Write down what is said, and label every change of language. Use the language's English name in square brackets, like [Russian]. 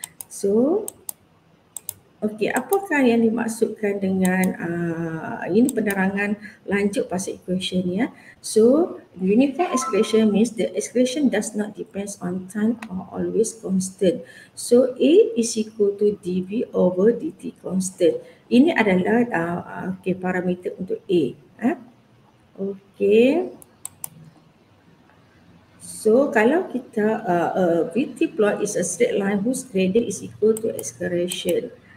[Malay] So, okay, apakah yang dimaksudkan dengan ini penerangan lanjut pasal equation ni ya. [English] So, uniform acceleration means the acceleration does not depends on time or always constant. So, A is equal to dV over dt constant. [Malay] Ini adalah okay, parameter untuk A. Okay. [English] So, [Malay] kalau kita [English] VT plot is a straight line whose gradient is equal to acceleration.